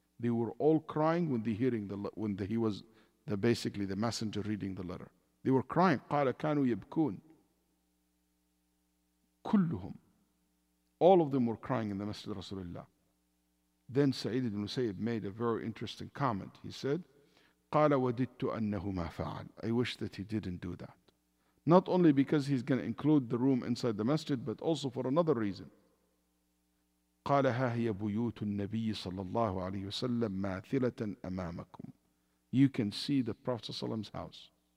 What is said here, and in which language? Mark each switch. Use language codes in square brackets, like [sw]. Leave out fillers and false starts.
[en] They were all crying when they hearing the when the, he was the basically the messenger reading the letter. They were crying. [ar] Qala kanu yabkun. Kulluhum. [en] All of them were crying in the Masjid Rasulullah. Then Sa'id ibn Musayyib made a very interesting comment. He said, [ar] قَالَ وَدِدْتُ أَنَّهُ مَا فَعَلَ. [en] I wish that he didn't do that. Not only because he's going to include the room inside the masjid, but also for another reason. [ar] قَالَ هَا هِيَ بُيُوتُ النَّبِيِّ صَلَّى اللَّهُ عَلَيْهِ وَسَلَّمْ مَاثِلَةً أَمَامَكُمْ. [en] You can see the Prophet's house.